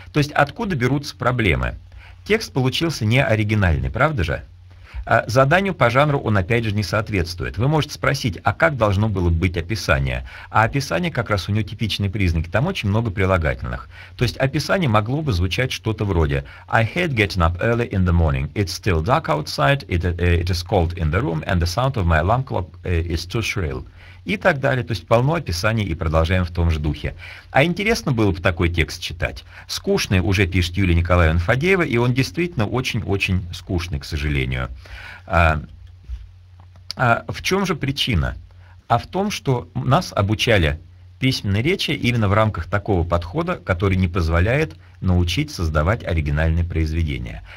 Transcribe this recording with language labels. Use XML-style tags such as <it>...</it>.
<ru>То есть откуда берутся проблемы? Текст получился не оригинальный, правда же? А заданию по жанру он опять же не соответствует. Вы можете спросить, а как должно было быть описание? А описание как раз у него типичный признак, там очень много прилагательных. То есть описание могло бы звучать что-то вроде</ru> <en>I hate getting up early in the morning. It's still dark outside, it is cold in the room, and the sound of my alarm clock is too shrill.</en> <ru>И так далее. То есть полно описаний и продолжаем в том же духе. А интересно было бы такой текст читать. Скучный уже пишет Юлия Николаевна Фадеева, и он действительно очень-очень скучный, к сожалению. В чем же причина? А в том, что нас обучали письменной речи именно в рамках такого подхода, который не позволяет научить создавать оригинальные произведения.</ru>